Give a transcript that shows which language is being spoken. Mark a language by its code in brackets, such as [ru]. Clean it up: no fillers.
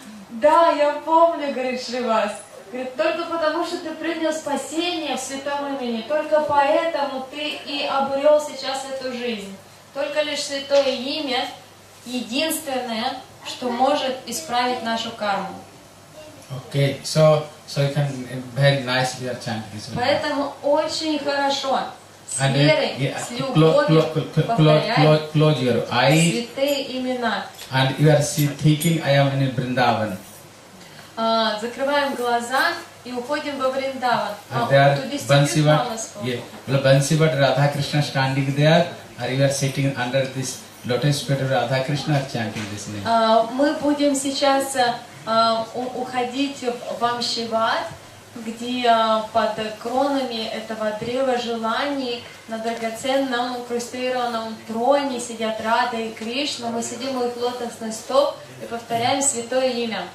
[ru] «Да, я помню», — говорит Шривас. «Говорит, только потому, что ты принял спасение в Святом имени, только поэтому ты и обрел сейчас эту жизнь. Только лишь Святое имя единственное, что может исправить нашу карму». [en] Okay, so you can very nicely chant this. [ru] Поэтому очень хорошо с верой, с любовью повторять [en] your [ru] eyes, святые имена. [en] And you are thinking, I am in Vrindavan. [ru] Закрываем глаза и уходим во Вриндаван. [en] Бансивад Радха Кришна standing there. Are you sitting under this lotus feet of Radha Krishna chanting this name? [ru] Мы будем сейчас уходить в Амшивад, где под кронами этого древа желаний на драгоценном инкрустированном троне сидят Рада и Кришна. Мы сидим у их лотосных стоп и повторяем Святое имя.